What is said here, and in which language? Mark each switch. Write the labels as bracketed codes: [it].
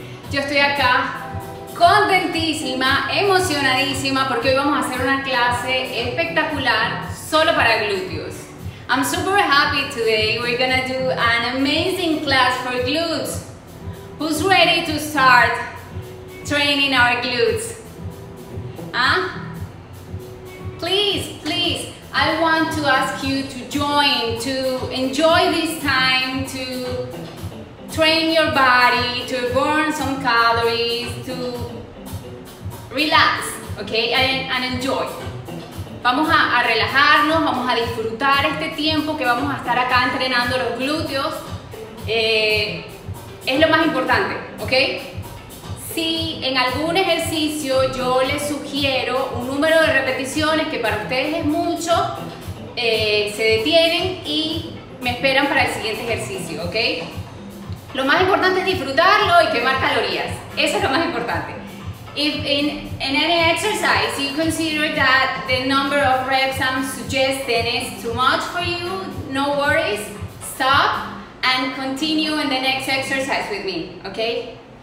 [es] Yo estoy acá contentísima, emocionadísima, porque hoy vamos a hacer una clase espectacular solo para glúteos. [en] I'm super happy today. We're gonna do an amazing class for glutes. Who's ready to start training our glutes? Huh? Please, please. I want to ask you to join, to enjoy this time, to train your body, to burn some calories, to relax, okay, and enjoy. [es] Vamos a relajarnos, vamos a disfrutar este tiempo que vamos a estar acá entrenando los glúteos. Es lo más importante, okay? Si en algún ejercicio yo les sugiero un número de repeticiones que para ustedes es mucho, se detienen y me esperan para el siguiente ejercicio, ¿ok? Lo más importante es disfrutarlo y quemar calorías. Eso es lo más importante. [en] If in any exercise you consider that the number of reps I'm suggesting is too much for you, no worries, stop and continue in the next exercise with me, ¿ok?